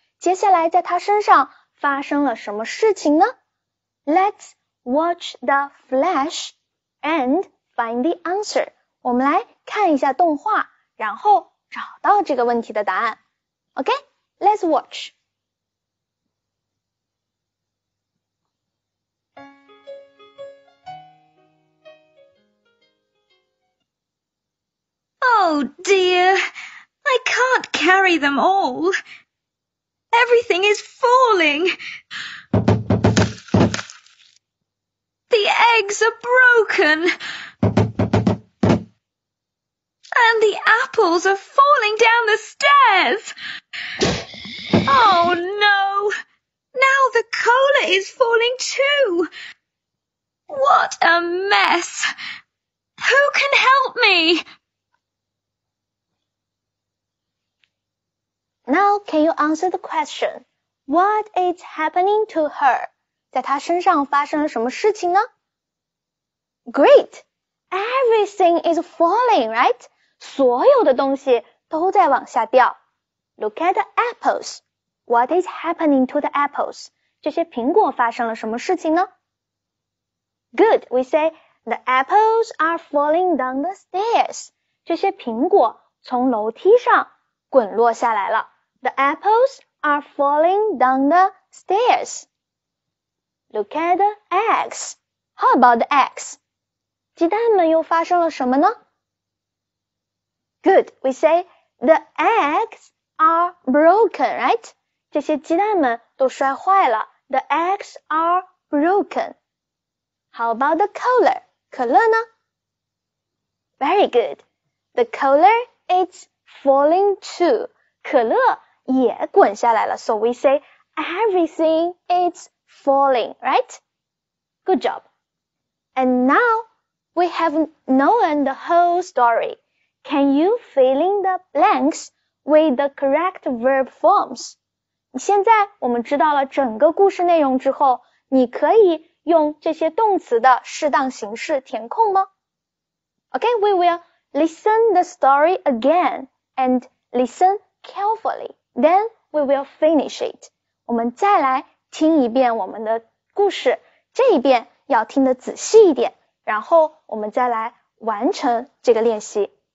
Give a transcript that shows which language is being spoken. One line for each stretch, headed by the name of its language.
Chinese: 接下来在他身上发生了什么事情呢?
English: Let's watch the flash and find the answer.
Chinese: 我们来看一下动画然后找到这个问题的答案。
English: Okay, let's watch. Oh dear, I can't carry them all. Everything is falling. The eggs are broken. And the apples are falling down the stairs. Oh no! Now the cola is falling too. What a mess! Who can help me? Now can you answer the question? What is happening to her?
Chinese: 在她身上发生了什么事情呢?
English: Great! Everything is falling, right?
Chinese: 所有的东西都在往下掉。
English: Look at the apples. What is happening to the apples?
Chinese: 这些苹果发生了什么事情呢？
English: Good, we say, the apples are falling down the stairs.
Chinese: 这些苹果从楼梯上滚落下来了。
English: The apples are falling down the stairs. Look at the eggs. How about the eggs?
Chinese: 鸡蛋们又发生了什么呢？
English: Good, we say, the eggs are broken, right?
Chinese: 这些鸡蛋们都摔坏了。
English: The eggs are broken. How about the cola?
Chinese: 可乐呢？
English: Very good. The cola is falling too.
Chinese: 可乐也滚下来了。
English: So we say, everything is falling, right? Good job. And now, we have known the whole story. Can you fill in the blanks with the correct verb forms?
Chinese: 现在我们知道了整个故事内容之后，你可以用这些动词的适当形式填空吗？
English: Okay, we will listen the story again and listen carefully. Then we will finish it.
Chinese: 我们再来听一遍我们的故事，这一遍要听得仔细一点，然后我们再来完成这个练习。